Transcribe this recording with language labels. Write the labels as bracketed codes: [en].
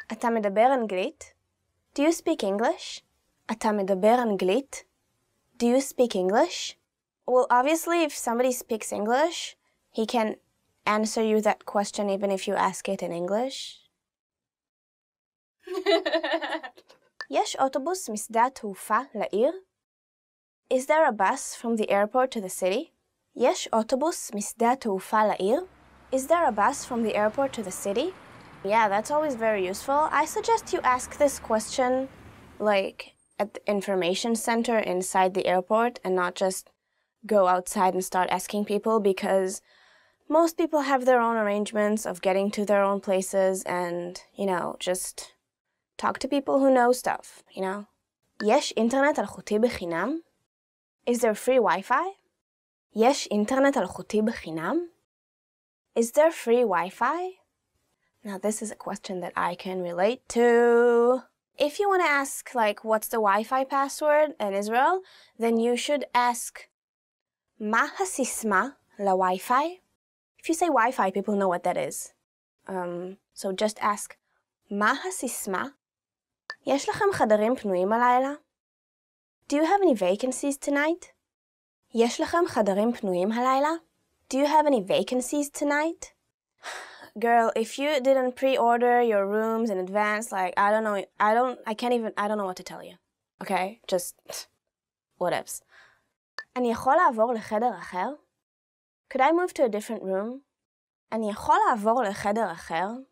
[he] אתה מדבר אנגלית? [en] Do you speak English? [he] אתה מדבר אנגלית? [en] Do you speak English? Well, obviously, if somebody speaks English, he can answer you that question even if you ask it in English. [he] יש אוטובוס משדה התעופה לעיר? [en] Is there a bus from the airport to the city? [he] יש אוטובוס משדה התעופה לעיר? [en] Is there a bus from the airport to the city? Yeah, that's always very useful. I suggest you ask this question, like, at the information center inside the airport and not just go outside and start asking people because most people have their own arrangements of getting to their own places and, you know, just talk to people who know stuff, you know? [he] יש אינטרנט אלחוטי בחינם? [en] Is there free Wi-Fi? [he] יש אינטרנט אלחוטי בחינם? [en] Is there free Wi-Fi? Now this is a question that I can relate to. If you want to ask, like, what's the Wi-Fi password in Israel, then you should ask [he] מה הסיסמה לווי-פי? [en] If you say Wi-Fi, people know what that is. So just ask [he] מה הסיסמה? יש לכם חדרים פנויים הלילה? [en] Do you have any vacancies tonight? [he] יש לכם חדרים פנויים הלילה? [en] Do you have any vacancies tonight? Girl, if you didn't pre-order your rooms in advance, like, I don't know, I don't know what to tell you. Okay? Just, whatevs. [he] אני יכול לעבור לחדר אחר? [en] Could I move to a different room? [he] אני יכול לעבור לחדר אחר?